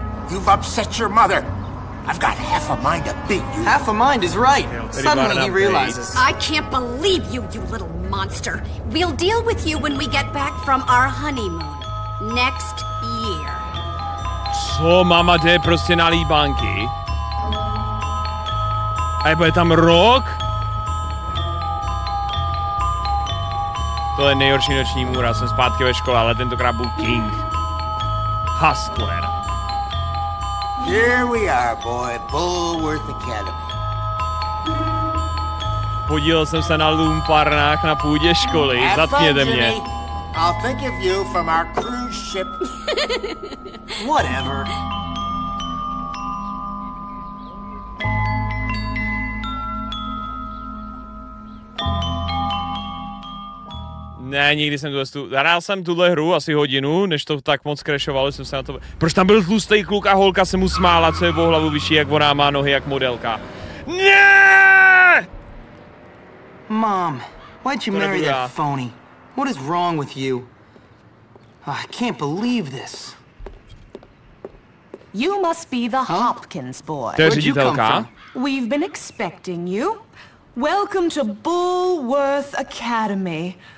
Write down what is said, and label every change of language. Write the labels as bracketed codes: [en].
[en] You've upset your mother. I've got half a mind to beat you. Half a mind is right. Suddenly he realizes. I can't believe you, you little monster. We'll deal with you when we get back from our honeymoon. Next year. [cs] Co, mama jde prostě na líbánky? A je tam rok? To je nejhorší noční můra, jsem zpátky ve škole, ale tentokrát byl King. [en] Hustler. Here we are, boy, Bullworth Academy. [cs] Podílel jsem se na lumpárnách na půdě školy, zatkněte mě. [en] I'll think of you from our cruise ship. Whatever. [cs] Ne, nikdy jsem tu... Hrál jsem tuhle hru asi hodinu, než to tak moc crashovalo, jsem se na to... Proč tam byl tlustej kluk a holka se mu smála, co je po hlavu vyšší, jak ona má nohy, jak modelka. Ne! [en] Mom, why did you marry that phony? What is wrong with you? Oh, I can't believe this. You must be the Hopkins boy. [cs] To je ředitelka. [en] We've been expecting you. Welcome to Bullworth Academy.